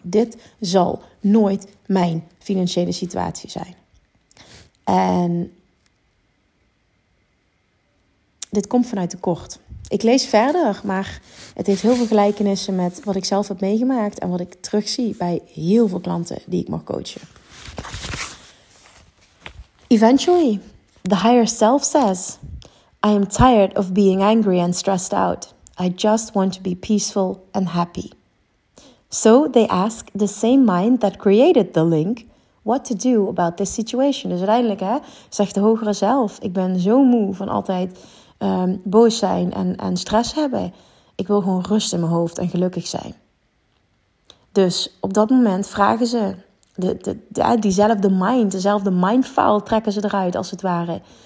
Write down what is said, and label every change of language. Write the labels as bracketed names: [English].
[Dutch] Dit zal nooit mijn financiële situatie zijn. En dit komt vanuit tekort. Ik lees verder, maar het heeft heel veel gelijkenissen met wat ik zelf heb meegemaakt en wat ik terugzie bij heel veel klanten die ik mag coachen. [English] Eventually, the higher self says, I am tired of being angry and stressed out. I just want to be peaceful and happy. So they ask the same mind that created the link what to do about this situation. [Dutch] Dus uiteindelijk, hè, zegt de hogere zelf, ik ben zo moe van altijd boos zijn en stress hebben. Ik wil gewoon rust in mijn hoofd en gelukkig zijn. Dus op dat moment vragen ze, diezelfde mind, dezelfde mindfile trekken ze eruit als het ware.